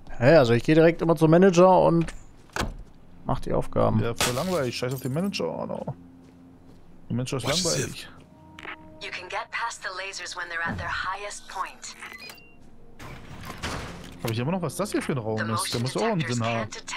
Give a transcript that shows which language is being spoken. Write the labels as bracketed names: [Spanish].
[German] Hä, also ich gehe direkt immer zum Manager und mach die Aufgaben. Ja, voll langweilig. Scheiß auf den Manager. Oder? Der Manager ist langweilig. [English] You can get past the lasers when they're at their highest point. [German] Hab ich immer noch, was das hier für ein Raum ist? Der muss auch einen Sinn haben.